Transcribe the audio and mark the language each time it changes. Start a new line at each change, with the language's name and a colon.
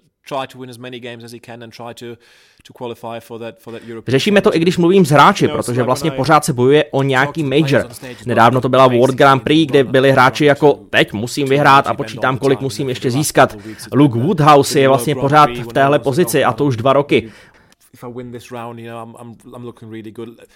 English: Try to win as many games as he can and try to qualify for that European.
Czech: Řešíme to, i když mluvím s hráči, protože vlastně pořád se bojuje o nějaký major. Nedávno to byla World Grand Prix, kde byli hráči jako teď musím vyhrát a počítám, kolik musím ještě získat. Luke Woodhouse je vlastně pořád v téhle pozici a to už 2 roky.
English: If I win this round, you know, I'm looking really good.